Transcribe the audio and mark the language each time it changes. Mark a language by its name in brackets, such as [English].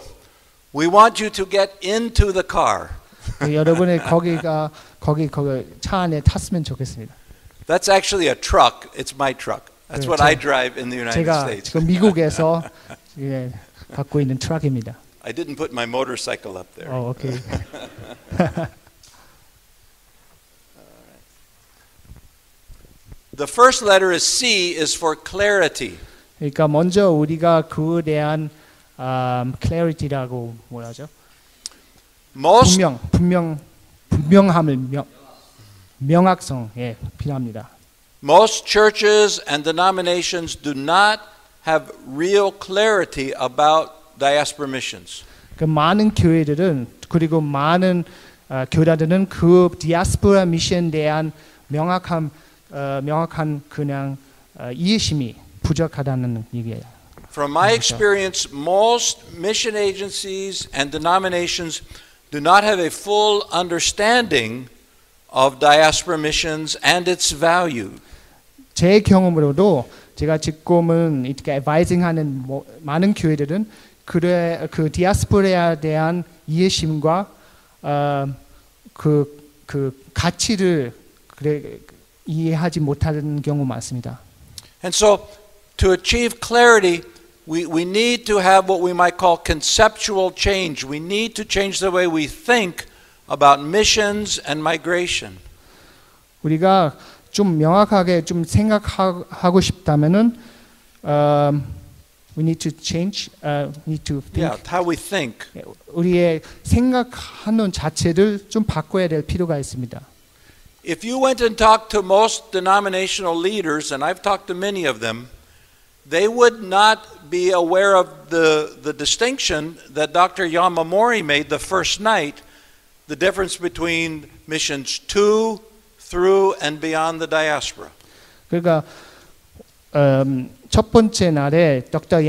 [English] So we want you to get into the car. [Korean] 여러분이 거기 차 안에 탔으면 좋겠습니다. [English] That's actually a truck. It's my truck. That's what I drive in the United States. [Korean] 제가 지금 미국에서 예, 갖고 있는 트럭입니다. [English] I didn't put my motorcycle up there. Oh, okay. The first letter is C is for clarity. [Korean] 그러니까 먼저 우리가 그에 대한 clarity라고 뭐라 하죠? 분명함을 명확성 예, 필요합니다. [English] Most churches and denominations do not have real clarity about diaspora missions. [Korean] 그 많은 교회들은 그리고 많은 교단들은 그 디아스포라 미션에 대한 명확한 그냥 이해심이 부족하다는 얘기예요. [English] From my experience, most mission agencies and denominations do not have a full understanding of diaspora missions and its value. [Korean] 제 경험으로도 제가 지금은 이렇게 advising하는 많은 교회들은 그 디아스포라에 대한 이해심과 그 가치를 이해하지 못하는 경우 많습니다. [English] And so to achieve clarity, we need to have what we might call conceptual change. We need to change the way we think about missions and migration. [Korean] 우리가 좀 명확하게 좀 생각하고 싶다면은 [English] we need to change Yeah, how we think. [Korean] 우리의 생각하는 자체를 좀 바꿔야 될 필요가 있습니다. [English] If you went and talked to most denominational leaders, and I've talked to many of them, they would not be aware of the distinction that Dr. Yamamori made the first night, the difference between missions to, through, and beyond the diaspora. [Korean] 그러니까 첫 번째 날에 Dr.